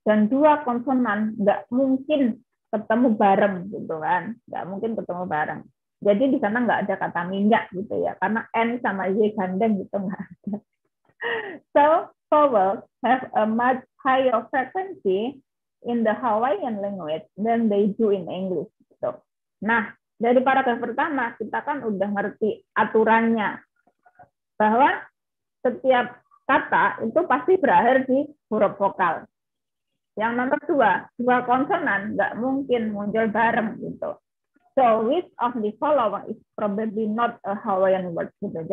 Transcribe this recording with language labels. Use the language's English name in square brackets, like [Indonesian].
[Indonesian] Dan dua konsonan nggak mungkin ketemu bareng gitu kan. Nggak mungkin ketemu bareng. Jadi di sana nggak ada kata minyak gitu ya. Karena N sama Y gandeng gitu nggak ada. [English] So vowels have a much higher frequency in the Hawaiian language than they do in English. [Indonesian] Gitu. Nah, dari paragraf pertama kita kan udah ngerti aturannya. Bahwa setiap kata itu pasti berakhir di huruf vokal. Yang nomor dua, dua konsonan nggak mungkin muncul bareng gitu. [English] So which of the following is probably not a Hawaiian word [Indonesian] gitu.